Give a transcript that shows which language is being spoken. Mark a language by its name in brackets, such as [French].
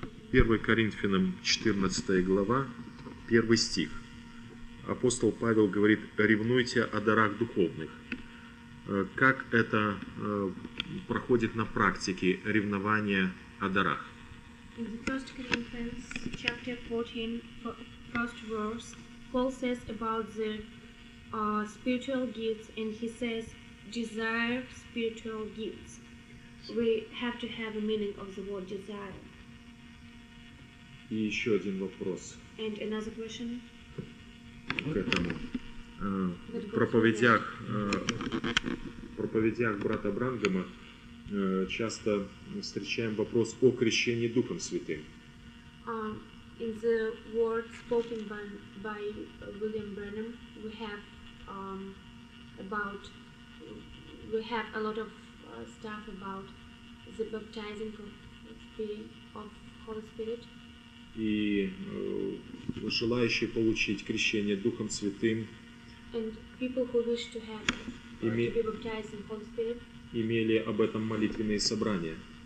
[Russian] Первый Коринфянам, 14 глава, 1 стих. Апостол Павел говорит: ревнуйте о дарах духовных. Как это проходит на практике, ревнование о дарах? [English] In the First Corinthians chapter 14, first verse, Paul says about the spiritual gifts, and he says, desire spiritual gifts. We have to have a meaning of the word desire. [Russian] И еще один вопрос. [English] And another question. [Russian] К этому. Проповедях, проповедях брата Брангама часто встречаем вопрос о крещении Духом Святым. [English] In the words spoken by William Branham, we have a lot of stuff about the baptizing of Holy Spirit. [Russian] И желающие получить крещение Духом Святым. [English] And people who wish to have to be baptized in Holy Spirit. [Russian] Имели об этом молитвенные собрания.